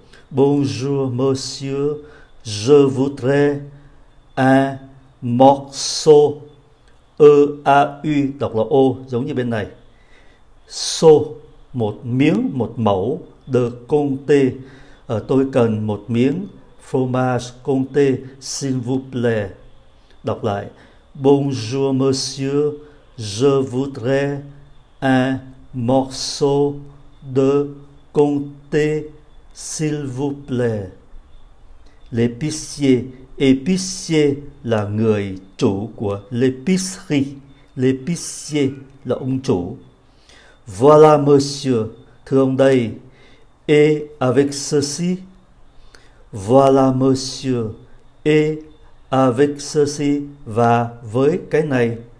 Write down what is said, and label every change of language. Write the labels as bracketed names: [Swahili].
[French] Bonjour monsieur, je voudrais un morceau. [Vietnamese] E, A, U, đọc là O, giống như bên này. So, một miếng, một mẫu, de comté. Tôi cần một miếng fromage comté, [French] s'il vous plaît. [Vietnamese] Đọc lại. [French] Bonjour monsieur, Je voudrais un morceau de comté, s'il vous plaît. [Vietnamese] L'épicier, épicier là người chủ của l'épicerie. L'épicier là ông chủ. [French] Voilà, monsieur, [Vietnamese] thưa ông đây. [French] Et avec ceci. Voilà, monsieur, et avec ceci, [Vietnamese] và với cái này.